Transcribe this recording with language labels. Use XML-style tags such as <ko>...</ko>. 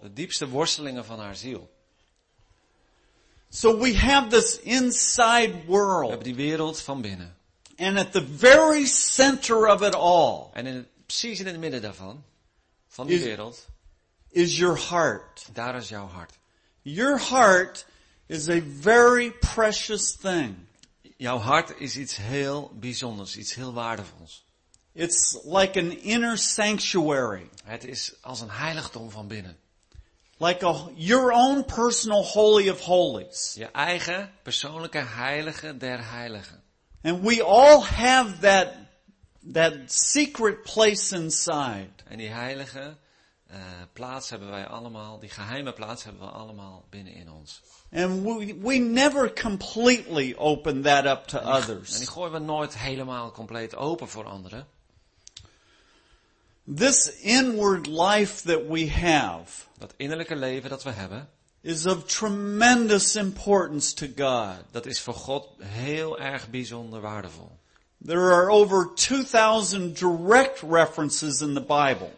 <nl>De diepste worstelingen van haar ziel.</nl> <en>So we have this inside world.</en> <nl>We hebben die wereld van binnen.</nl> <en>And at the very center of it all.</en> <nl>En precies in het midden daarvan, van die wereld,</nl> <en>is your heart.</en> <nl>Daar is jouw hart.</nl> <en>Your heart is a very precious thing.</en> <nl>Jouw hart is iets heel bijzonders, iets heel waardevols.</nl> <en>It's like an inner sanctuary.</en> <nl>Het is als een heiligdom van binnen.</nl> <en>Like your own personal holy of holies.</en> <nl>Je eigen persoonlijke heilige der heiligen.</nl> <en>And we all have that secret place inside.</en> <nl>En die heilige plaats hebben wij allemaal, die geheime plaats hebben we allemaal binnenin ons.</nl> <en>And we never completely open that up to others.</en> <nl>En die gooien we nooit helemaal compleet open voor anderen.</nl> <en>This inward life that we have.</en> <nl>Dat innerlijke leven dat we hebben.</nl> <en>Is of tremendous importance to God.</en> <nl>Dat is voor God heel erg bijzonder waardevol.</nl> <en>There are over 2000 direct references in the Bible.</en>